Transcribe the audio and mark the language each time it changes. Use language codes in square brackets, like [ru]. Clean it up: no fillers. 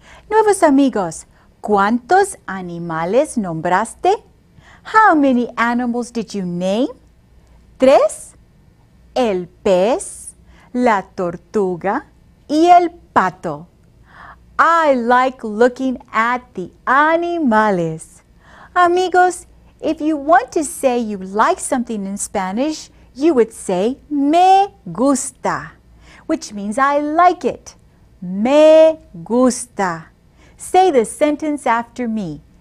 [es] Nuevos amigos, ¿cuántos animales nombraste? [en] How many animals did you name? [es] ¿Tres? El pez, la tortuga y el pato. [en] I like looking at the animales. Amigos, if you want to say you like something in Spanish, you would say [es] me gusta, [en] which means I like it. [es] Me gusta. [en] Say the sentence after me.